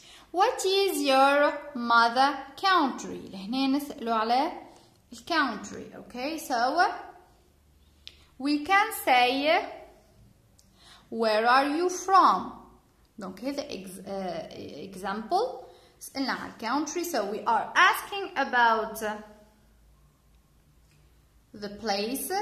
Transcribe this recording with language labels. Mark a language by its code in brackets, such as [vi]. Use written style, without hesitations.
[en] What is your mother country? [ar] لهنا نسألوا على الكونتري. [en] Okay, so we can say where are you from? [ar] Donc هذا example. سألنا على الكونتري. [en] So we are asking about the place.